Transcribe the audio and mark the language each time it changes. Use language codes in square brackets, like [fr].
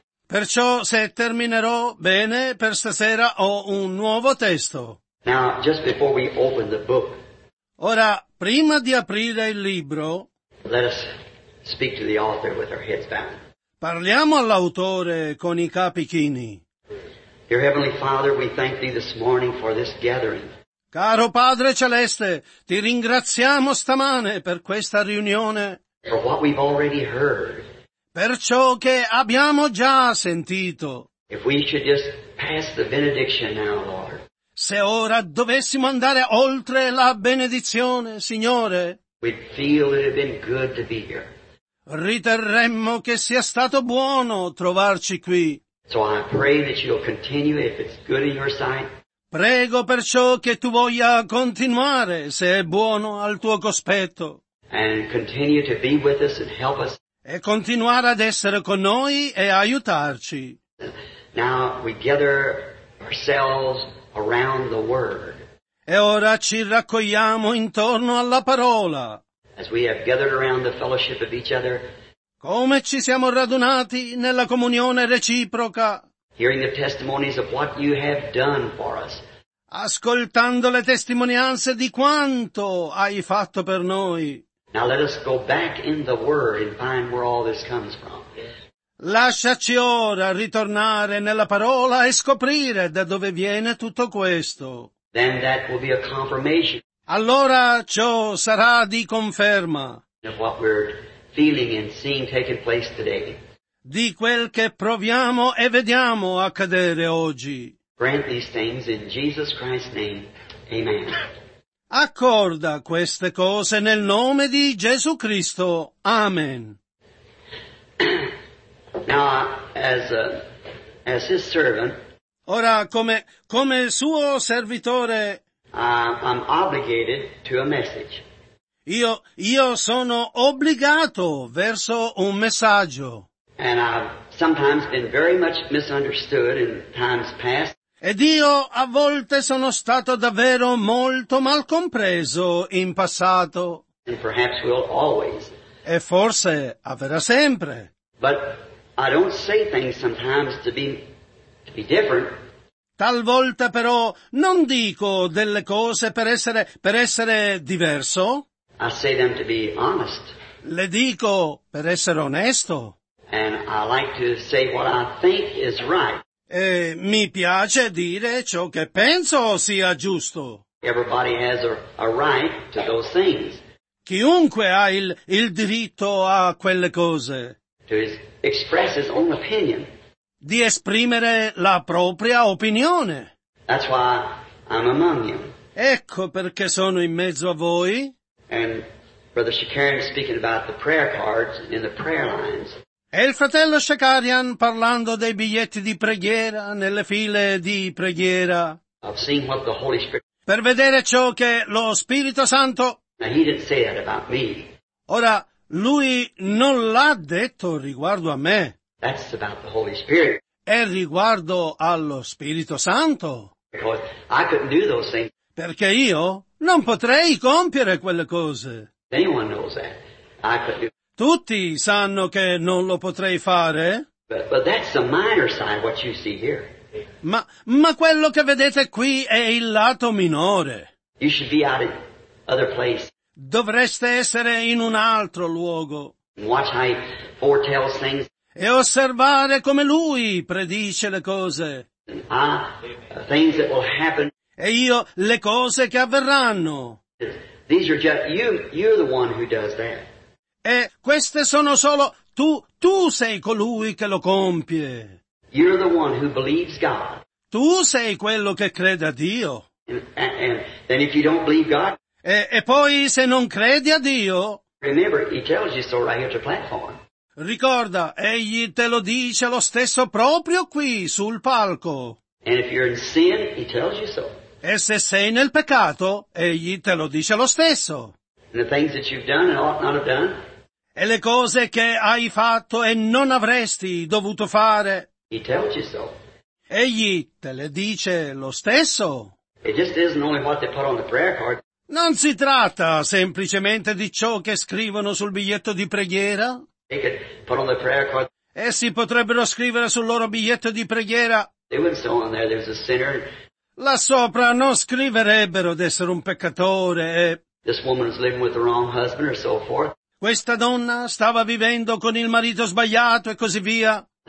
[it] Perciò, se terminerò bene per stasera, ho un nuovo testo. [en] Now, just before we open the book, [it] ora, prima di aprire il libro, [en] let us speak to the author with our heads bowed. [it] Parliamo all'autore con i capi chini. [en] Dear Heavenly Father, we thank Thee this morning for this gathering. [it] Caro Padre Celeste, Ti ringraziamo stamane per questa riunione. [en] For what we've already heard. [it] Per ciò che abbiamo già sentito. [en] If we should just pass the benediction now, Lord, [it] se ora dovessimo andare oltre la benedizione, Signore, [en] we'd feel it had been good to be here. [it] Riterremmo che sia stato buono trovarci qui. [en] So I pray that you'll continue if it's good in your sight. [it] Prego perciò che tu voglia continuare se è buono al tuo cospetto. [en] And continue to be with us and help us. [it] E continuare ad essere con noi e aiutarci. [en] Now we gather ourselves around the word. [it] E ora ci raccogliamo intorno alla parola. [en] As we have gathered around the fellowship of each other. [it] Come ci siamo radunati nella comunione reciproca. [en] Hearing the testimonies of what you have done for us. [it] Ascoltando le testimonianze di quanto hai fatto per noi. [en] Now let us go back in the Word and find where all this comes from. [it] Lasciaci ora ritornare nella parola e scoprire da dove viene tutto questo. [en] Then that will be a confirmation. [it] Allora ciò sarà di conferma. [en] Of what we're feeling and seeing taking place today. [it] Di quel che proviamo e vediamo accadere oggi. [en] Grant these things in Jesus Christ's name. Amen. [it] Accorda queste cose nel nome di Gesù Cristo. Amen. [en] Now, as his servant, [it] ora, come suo servitore, [en] I'm obligated to a message. [it] Io sono obbligato verso un messaggio. [en] And I've sometimes been very much misunderstood in times past. [it] Ed io a volte sono stato davvero molto mal compreso in passato. [en] And perhaps will always. [it] E forse avverrà sempre. [en] But I don't say things sometimes to be different. [it] Talvolta però non dico delle cose per essere diverso. [en] I say them to be honest. [it] Le dico per essere onesto. [en] And I like to say what I think is right. [it] E mi piace dire ciò che penso sia giusto. [en] Everybody has a right to those things. [it] Chiunque ha il diritto a quelle cose. [en] To express his own opinion. [it] Di esprimere la propria opinione. [en] That's why I'm among you. [it] Ecco perché sono in mezzo a voi. [en] And Brother Shakarian speaking about the prayer cards in the prayer lines. [it] E il fratello Shakarian parlando dei biglietti di preghiera nelle file di preghiera. [en] I've seen what the Holy Spirit... [it] Per vedere ciò che lo Spirito Santo. [en] Now, he didn't say that about me. [it] Ora, lui non l'ha detto riguardo a me. [en] That's about the Holy Spirit. [it] È riguardo allo Spirito Santo. [en] Because I couldn't do those things. [it] Perché io non potrei compiere quelle cose. [en] Anyone knows that. I could do... [it] Tutti sanno che non lo potrei fare. [en] But that's the minor side what you see here. [it] Ma quello che vedete qui è il lato minore. [en] You should be out in other place. [it] Dovreste essere in un altro luogo. [en] Watch how he foretells things. [it] E osservare come lui predice le cose. [en] Things that will happen. [it] E io le cose che avverranno. [en] These are just you're the one who does that. [it] E queste sono solo tu sei colui che lo compie. [en] You're the one who believes God. [it] Tu sei quello che crede a Dio. [en] And then if you don't believe God. [it] E poi se non credi a Dio. [en] Remember, he tells you so right here at the platform. [it] Ricorda, egli te lo dice lo stesso proprio qui sul palco. [en] And if you're in sin, he tells you so. [it] E se sei nel peccato, egli te lo dice lo stesso. [en] And the things that you've done and ought not have done. [it] E le cose che hai fatto e non avresti dovuto fare. [en] He tells you so. [it] Egli te le dice lo stesso. [en] It just isn't only what they put on the prayer card. [it] Non si tratta semplicemente di ciò che scrivono sul biglietto di preghiera. [en] They could put on the prayer card. [it] Essi potrebbero scrivere sul loro biglietto di preghiera. [en] They wouldn't say on there there's a sinner. [it] Là sopra non scriverebbero d'essere un peccatore e... [en] This woman is living with the wrong husband or so forth. [it] Questa donna stava vivendo con il marito sbagliato e così via.